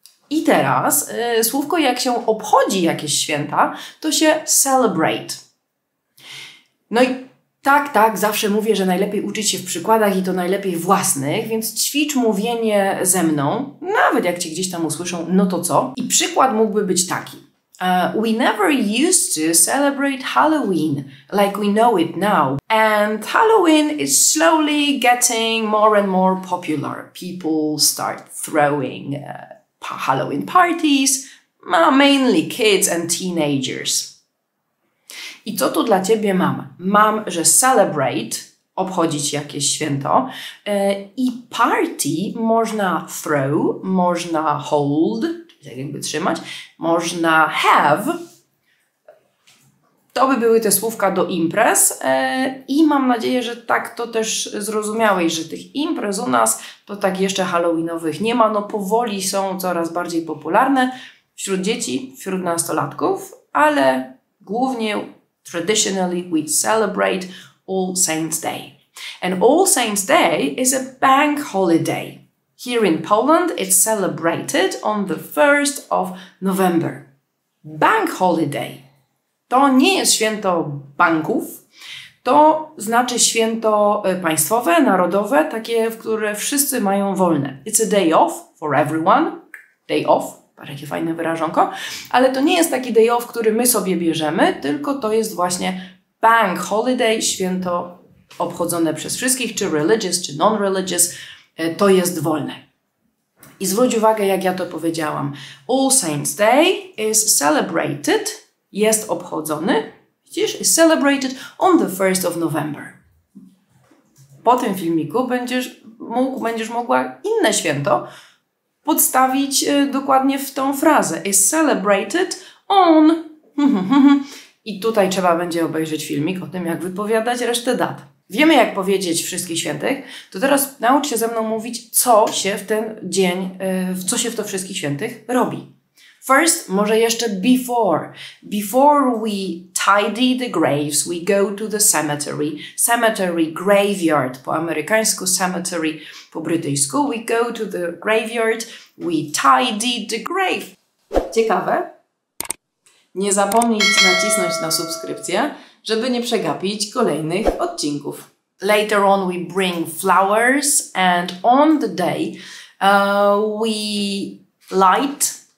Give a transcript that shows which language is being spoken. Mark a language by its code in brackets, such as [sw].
[pl] I teraz słówko, jak się obchodzi jakieś święta, to się celebrate. No i tak, tak, zawsze mówię, że najlepiej uczyć się w przykładach i to najlepiej własnych, więc ćwicz mówienie ze mną, nawet jak Cię gdzieś tam usłyszą, no to co? I przykład mógłby być taki. [en] We never used to celebrate Halloween like we know it now. And Halloween is slowly getting more and more popular. People start throwing Halloween parties, mainly kids and teenagers. [pl] I co tu dla Ciebie mam? Mam, że celebrate, obchodzić jakieś święto, i party można throw, można hold, czyli jakby trzymać, można have. To by były te słówka do imprez i mam nadzieję, że tak to też zrozumiałeś, że tych imprez u nas to tak jeszcze halloweenowych nie ma, no powoli są coraz bardziej popularne wśród dzieci, wśród nastolatków, ale głównie [en] traditionally we celebrate All Saints Day. And All Saints Day is a bank holiday. Here in Poland it's celebrated on the 1st of November. Bank holiday. [pl] To nie jest święto banków. To znaczy święto państwowe, narodowe, takie, w które wszyscy mają wolne. [en] It's a day off for everyone. Day off. [pl] Jakie fajne wyrażonko, ale to nie jest taki day off, który my sobie bierzemy, tylko to jest właśnie bank holiday, święto obchodzone przez wszystkich, czy religious, czy non-religious, to jest wolne. I zwróć uwagę, jak ja to powiedziałam, [en] All Saints Day is celebrated, [pl] jest obchodzony, widzisz, [en] is celebrated on the 1st of November. [pl] Po tym filmiku będziesz mogła inne święto podstawić dokładnie w tą frazę. [en] Is celebrated on. [pl] I tutaj trzeba będzie obejrzeć filmik o tym, jak wypowiadać resztę dat. Wiemy, jak powiedzieć wszystkich świętych, to teraz naucz się ze mną mówić, co się w ten dzień, co się w to wszystkich świętych robi. First, może jeszcze before. [en] Before we tidy the graves, we go to the cemetery. [pl] Cemetery, graveyard po amerykańsku, cemetery po brytyjsku. [en] We go to the graveyard, we tidy the grave. [pl] Ciekawe? Nie zapomnij nacisnąć na subskrypcję, żeby nie przegapić kolejnych odcinków. [en] Later on we bring flowers and on the day we light.